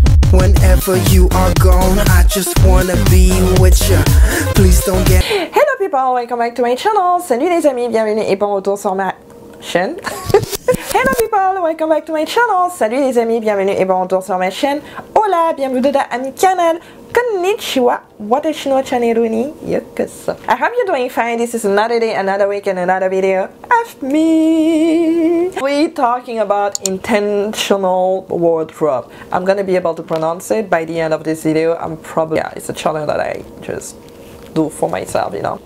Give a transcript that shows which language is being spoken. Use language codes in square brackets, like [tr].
[en] Whenever you are gone, I just wanna be with you. Please don't get. Hello people, welcome back to my channel. [fr] Salut les amis, bienvenue et bon retour sur ma chaîne. [en] Hello people, welcome back to my channel. [fr] Salut les amis, bienvenue et bon retour sur ma chaîne. Hola, bienvenue dans mon canal. [ja] Konnichiwa, watashi no chaneru ni yukusu. [en] I hope you're doing fine. This is another day, another week, and another video of me. We're talking about intentional wardrobe. I'm gonna be able to pronounce it by the end of this video. I'm probably, yeah, it's a challenge that I just do for myself, you know.